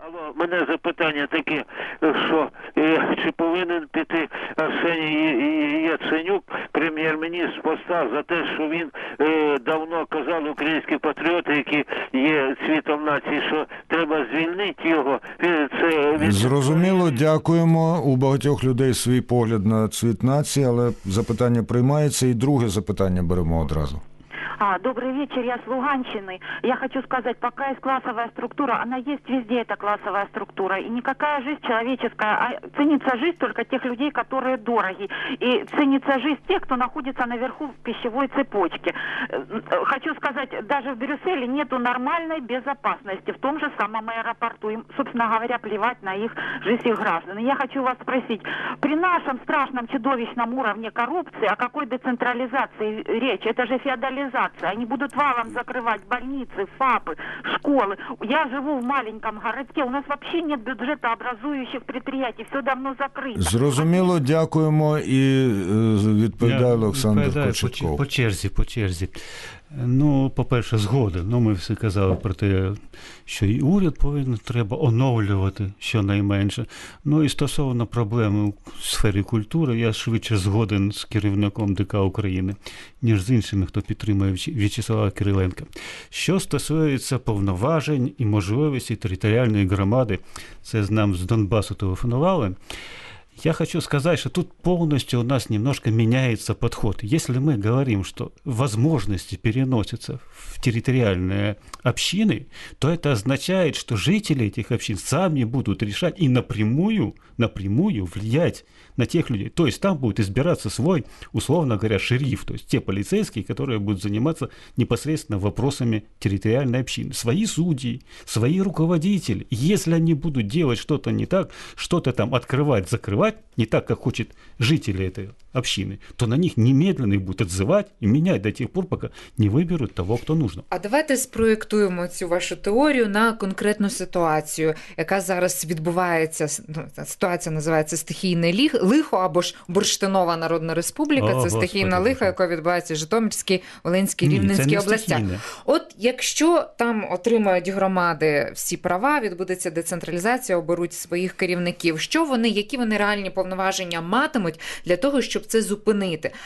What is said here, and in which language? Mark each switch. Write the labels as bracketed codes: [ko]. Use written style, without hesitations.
[uk] Алло, мене запитання таке, що чи повинен піти Арсеній Яценюк, прем'єр-міністр поста, за те, що він давно казав, українські патріоти, які є світом нації, що треба звільнити його. Це від... Зрозуміло, дякуємо. У багатьох людей свій погляд на цвіт нації, але запитання приймається, і друге запитання беремо одразу. Добрий вечір, я з Луганщини. [ru] Я хочу сказать, пока есть классовая структура, она есть везде, эта классовая структура. И никакая жизнь человеческая, а ценится жизнь только тех людей, которые дороги. И ценится жизнь тех, кто находится наверху в пищевой цепочке. Хочу сказать, даже в Брюсселе нету нормальной безопасности, в том же самом аэропорту. Им, собственно говоря, плевать на их жизнь их граждан. И я хочу вас спросить, при нашем страшном чудовищном уровне коррупции, о какой децентрализации речь? Это же феодализация. заниматься. Они будут валом закрывать больницы, ФАПы, школы. Я живу в маленьком городке. У нас вообще нет бюджетообразующих предприятий. Все давно закрыто. [uk] Зрозуміло, дякуємо. І відповідає Олександр Кочетков. По черзі. Ну, по-перше, згоди. Ну, ми всі казали про те, що і уряд повинен треба оновлювати щонайменше. Ну, і стосовно проблеми у сфері культури, я швидше згоден з керівником ДК України, ніж з іншими, хто підтримує В'ячеслава Кириленка. Що стосується повноважень і можливостей територіальної громади, це нам з Донбасу телефонували. [ru] Я хочу сказать, что тут полностью у нас немножко меняется подход. Если мы говорим, что возможности переносятся в территориальные общины, то это означает, что жители этих общин сами будут решать и напрямую влиять на тех людей. То есть там будет избираться свой, условно говоря, шериф, то есть те полицейские, которые будут заниматься непосредственно вопросами территориальной общины. Свои судьи, свои руководители. Если они будут делать что-то не так, что-то там открывать, закрывать не так, как хочет жители этой общины, то на них немедленно их будут отзывать и менять до тех пор, пока не выберут того, кто нужно. А давайте спроектуем эту вашу теорию на конкретную ситуацию, [uk] яка зараз відбувається, [ru] ситуация называется «Стихийный лих». [uk] Лихо або ж Бурштинова Народна Республіка, це стихійне лихо, яке відбувається в Житомирській, Волинській, Рівненській областях. От якщо там отримають громади всі права, відбудеться децентралізація, оберуть своїх керівників, що вони, які вони реальні повноваження матимуть для того, щоб це зупинити?